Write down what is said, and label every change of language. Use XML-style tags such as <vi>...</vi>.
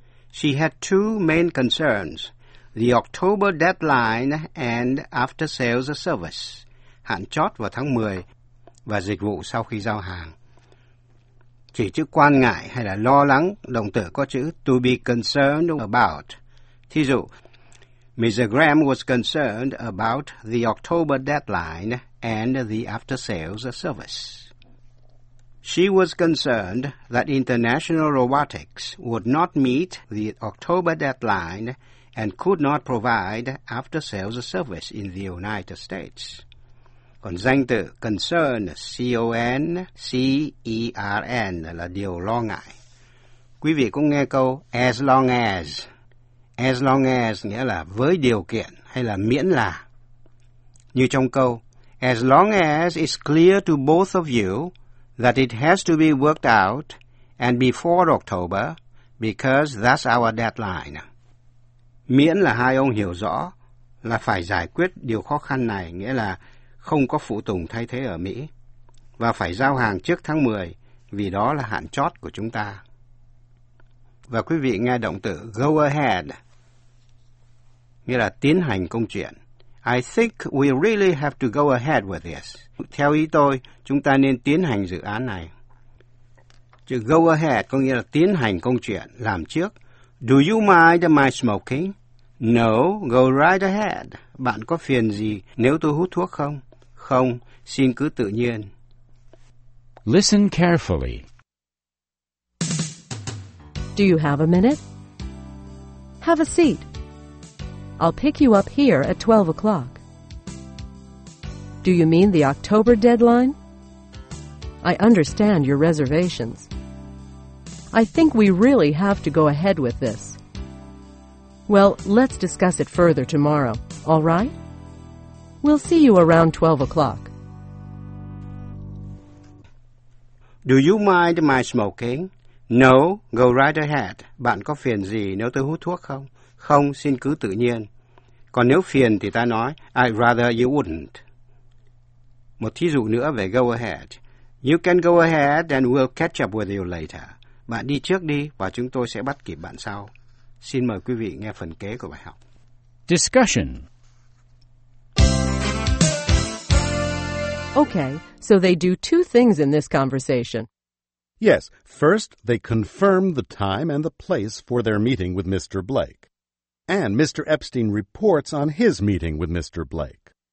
<en>She had two main concerns, the October deadline and after-sales service,</en> <vi>hạn chót vào tháng 10, và dịch vụ sau khi giao hàng. Chỉ chữ quan ngại hay là lo lắng, động từ có chữ</vi> <en>to be concerned about.</en> <vi>Thí dụ, Mrs.</vi> <en>Graham was concerned about the October deadline and the after-sales service. She was concerned that International Robotics would not meet the October deadline and could not provide after-sales service in the United States.</en> <vi>Còn danh từ concern, C-O-N-C-E-R-N, là điều lo ngại. Quý vị cũng nghe câu as long as. As long as nghĩa là với điều kiện hay là miễn là. Như trong câu,</vi> <en>as long as it's clear to both of you that it has to be worked out and before October, because that's our deadline.</en> <vi>Miễn là hai ông hiểu rõ là phải giải quyết điều khó khăn này, nghĩa là không có phụ tùng thay thế ở Mỹ, và phải giao hàng trước tháng 10, vì đó là hạn chót của chúng ta. Và quý vị nghe động từ go ahead, nghĩa là tiến hành công chuyện.</vi> <en>I think we really have to go ahead with this.</en> <vi>Theo ý tôi, chúng ta nên tiến hành dự án này. Chữ go ahead có nghĩa là tiến hành công chuyện, làm trước.</vi> <en>Do you mind my smoking? No, go right ahead.</en> <vi>Bạn có phiền gì nếu tôi hút thuốc không? Không, xin cứ tự nhiên.</vi> <en>Listen carefully. Do you have a minute? Have a seat. I'll pick you up here at 12 o'clock. Do you mean the October deadline? I understand your reservations. I think we really have to go ahead with this. Well, let's discuss it further tomorrow, all right? We'll see you around 12 o'clock. Do you mind my smoking? No, go right ahead.</en> <vi>Bạn có phiền gì nếu tôi hút thuốc không? Không, xin cứ tự nhiên. Còn nếu phiền thì ta nói,</vi> <en>I'd rather you wouldn't.</en> <vi>Một thí dụ nữa về go ahead.</vi> <en>You can go ahead and we'll catch up with you later.</en> <vi>Bạn đi trước đi và chúng tôi sẽ bắt kịp bạn sau. Xin mời quý vị nghe phần kế của bài học.</vi> <en>Discussion. Okay, so they do two things in this conversation. Yes, first they confirm the time and the place for their meeting with Mr. Blake. And Mr. Epstein reports on his meeting with Mr. Blake.</en>